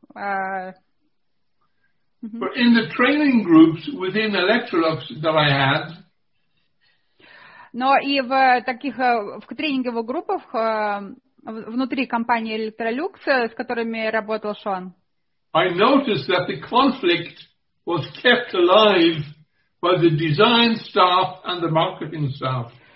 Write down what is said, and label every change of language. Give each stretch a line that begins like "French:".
English: But in the training groups within Electrolux that I had.
Russian: Но и в таких в тренинговых группах внутри компании Electrolux, с которыми работал Шон.
English: I noticed that the conflict was kept alive by the design staff and the marketing staff.